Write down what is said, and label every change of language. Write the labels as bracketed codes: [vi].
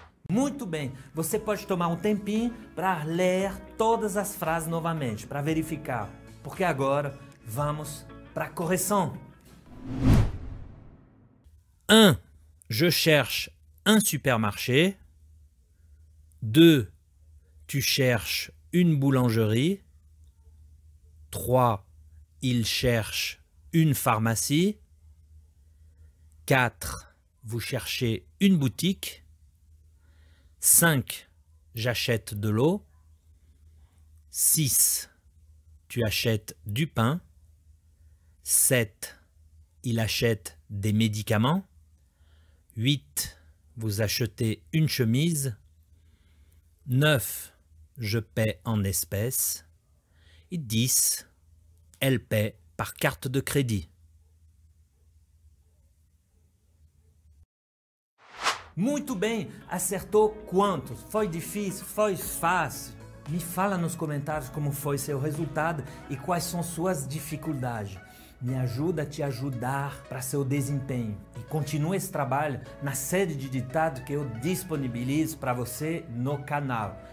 [pt] Muito bem, você pode tomar um tempinho para ler todas as frases novamente, para verificar. Porque agora vamos para a correção. 1. [fr] Je cherche un supermarché. 2. Tu cherches une boulangerie. 3. Il cherche une pharmacie. 4. Vous cherchez une boutique. 5. J'achète de l'eau. 6. Tu achètes du pain. 7. Il achète des médicaments. 8. Vous achetez une chemise. 9. Je paie en espèces. Et 10. Elle paie par carte de crédit. [pt] Muito bem, acertou quantos? Foi difícil? Foi fácil? Me fala nos comentários como foi seu resultado e quais são suas dificuldades. Me ajuda a te ajudar para seu desempenho. E continue esse trabalho na série de ditado que eu disponibilizo para você no canal.